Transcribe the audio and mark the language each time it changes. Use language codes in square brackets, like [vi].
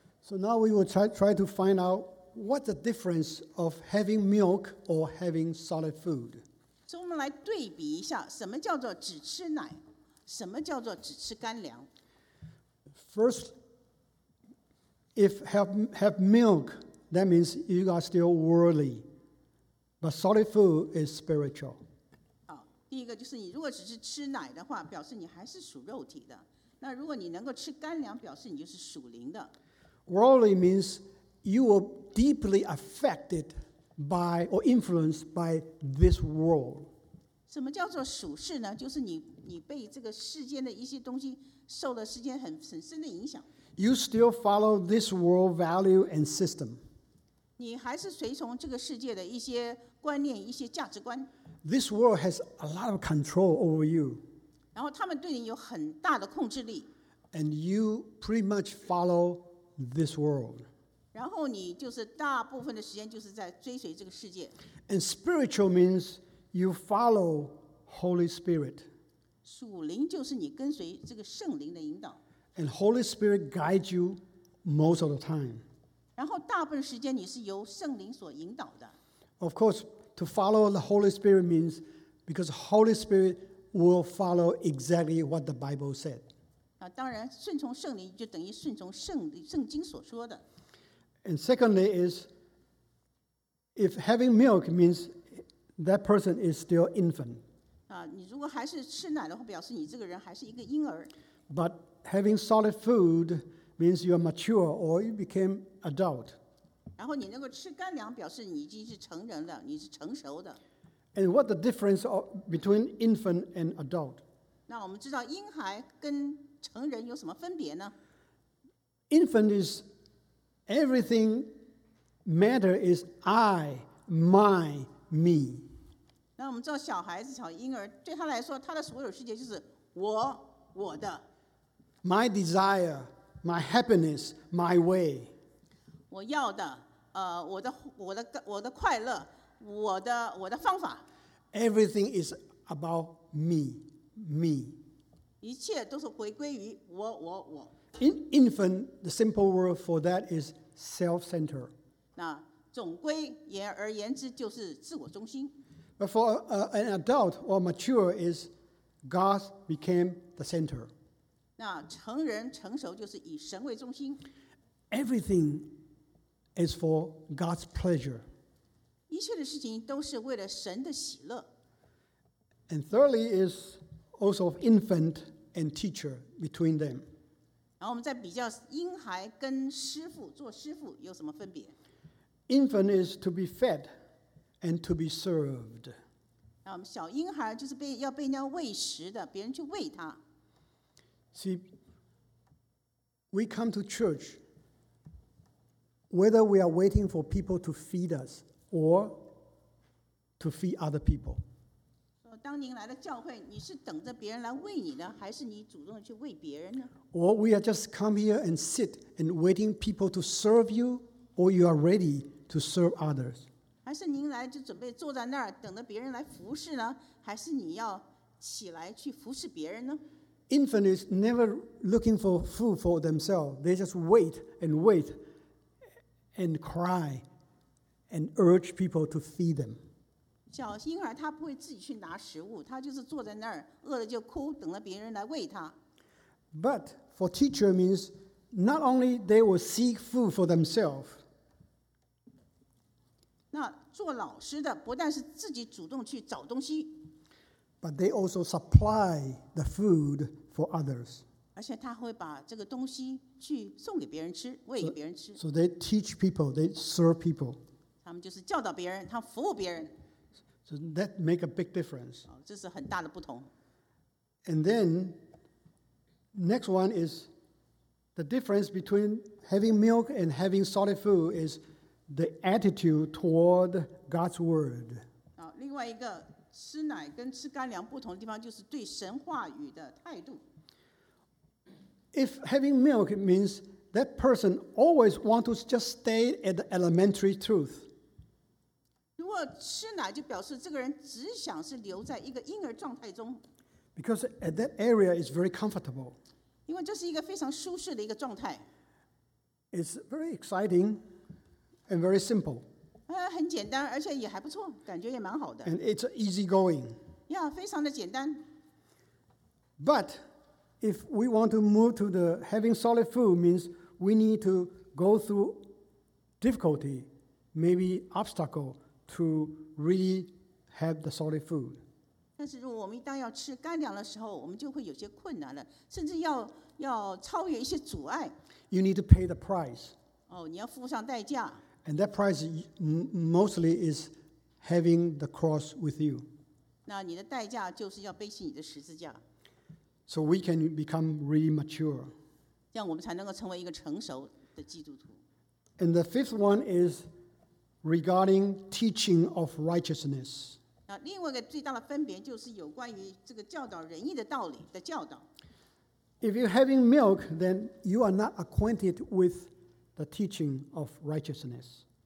[en] So now we will try to find out what the difference of having milk or having solid food. [zh] 所以我们来对比一下，什么叫做只吃奶，什么叫做只吃干粮。 [en] First, if have milk. That means you are still worldly. But solid food is spiritual. [zh] 第一个就是你如果只是吃奶的话，表示你还是属肉体的。那如果你能够吃干粮，表示你就是属灵的。 [en] Worldly means you are deeply affected by or influenced by this world. [zh] 什么叫做属世呢？就是你被这个世间的一些东西受了世间很深的影响。 [en] You still follow this world value and system. [zh] 你还是随从这个世界的一些观念，一些价值观。 [en] This world has a lot of control over you. [zh] 然后他们对你有很大的控制力。 [en] And you pretty much follow this world. [zh] 然后你就是大部分的时间就是在追随这个世界。 [en] And spiritual means you follow Holy Spirit. [zh] 属灵就是你跟随这个圣灵的引导。 [en] And Holy Spirit guides you most of the time. [zh] 然后大部分时间你是由圣灵所引导的。 [en] Of course, to follow the Holy Spirit means because Holy Spirit will follow exactly what the Bible said. [zh] 当然顺从圣灵就等于顺从圣经所说的。 [en] And secondly is, if having milk means that person is still infant. [zh] 你如果还是吃奶的话，表示你这个人还是一个婴儿。 [en] But having solid food means you are mature or you became adult. [zh] 然后你能够吃干粮，表示你已经是成人了，你是成熟的。 [en] And what the difference between infant and adult? [zh] 那我们知道婴孩跟成人有什么分别呢？ [en] Infant is everything matter is I, my, me. [zh] 那我们知道小孩子小婴儿对他来说他的所有世界就是我我的。 [en] My desire, my happiness, my way. [zh] 我要的我的快乐我的方法。 [en] Everything is about me, me. [zh] 一切都是回归于我我我。 [en] In infant, the simple word for that is self-center. [zh] 那总归而言之就是自我中心。 [en] But for an adult or mature is God became the center. [zh] 那成人成熟就是以神为中心。 [en] Everything is for God's pleasure. [zh] 一切的事情都是为了神的喜乐。 [en] And thirdly is also of infant and teacher between them. [zh] 然后我们再比较婴孩跟师父做师父有什么分别？ [en] Infant is to be fed and to be served. [zh] 那我们小婴孩就是要被人家喂食的，别人去喂他。 [en] See, we come to church whether we are waiting for people to feed us or to feed other people. [zh] 当您来到教会，你是等着别人来喂你呢，还是你主动的去喂别人呢？ [en] Or we are just come here and sit and waiting people to serve you, or you are ready to serve others. [zh] 还是您来就准备坐在那儿等着别人来服侍呢，还是你要起来去服侍别人呢？ [en] Infant is never looking for food for themselves. They just wait and cry and urge people to feed them. [zh] 小婴儿他不会自己去拿食物，他就是坐在那儿，饿了就哭，等着别人来喂他。 [en] But for teacher means not only they will seek food for themselves. [zh] 那做老师的不但是自己主动去找东西 [en] ，but they also supply the food for others. [zh] 而且他会把这个东西去送给别人吃，喂给别人吃。 [en] So they teach people, they serve people. [zh] 他们就是教导别人，他服务别人。 [en] So that makes a big difference. [zh] 这是很大的不同。 [en] And then, next one is the difference between having milk and having solid food is the attitude toward God's word. [zh] 另外一个吃奶跟吃干粮不同的地方就是对神话语的态度。 [en] If having milk means that person always wants to just stay at the elementary truth. [zh] 如果吃奶就表示这个人只想是留在一个婴儿状态中。 [en] Because at that area is very comfortable. [zh] 因为这是一个非常舒适的一个状态。 [en] It's very exciting and very simple. [zh] 很简单，而且也还不错，感觉也蛮好的。 [en] And it's easy going. [zh] Yeah, 非常的简单。 [en] But if we want to move to the having solid food means we need to go through difficulty, maybe obstacle,to really have the solid food. [zh] 但是如果我们一旦要吃干粮的时候，我们就会有些困难了，甚至要超越一些阻碍。 [en] You need to pay the price. [zh] 你要付上代价。 [en] And that price mostly is having the cross with you. [zh] 那你的代价就是要背起你的十字架。 [en] So we can become really mature. [zh] 这样我们才能够成为一个成熟的基督徒。 [en] And the fifth one is regarding teaching of righteousness. [zh] 啊，另外一个最大的分别就是有关于这个教导仁义的道理的教导。 [en] If you're having milk, then you are not acquainted with the teaching of righteousness.